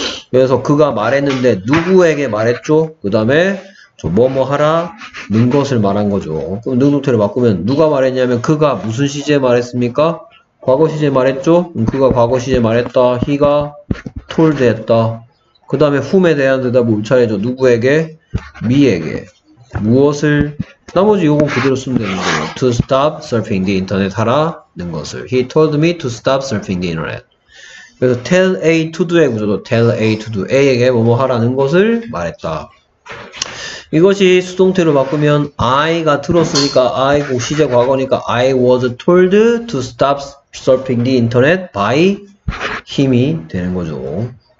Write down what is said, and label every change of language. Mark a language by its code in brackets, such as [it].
[ko] 그래서 그가 말했는데 누구에게 말했죠? 그 다음에 저 뭐뭐 하라 는 것을 말한 거죠. 그럼 능동태를 바꾸면 누가 말했냐면 그가 무슨 시제에 말했습니까? 과거 시제 말했죠? 그가 과거 시제 말했다. He가 told 했다. 그 다음에 whom에 대한 대답을 울차례죠. 누구에게? me에게. 무엇을? 나머지 요건 그대로 쓰면 되는 거예요. [en] To stop surfing the internet [ko] 하라는 것을. [en] He told me to stop surfing the internet. [ko] 그래서 tell A to do의 구조도 tell A to do. A에게 뭐뭐 하라는 것을 말했다. 이것이 수동태로 바꾸면 I가 들었으니까 I 시제 과거니까 [en] I was told to stop surfing the internet by him [ko] 이 되는 거죠.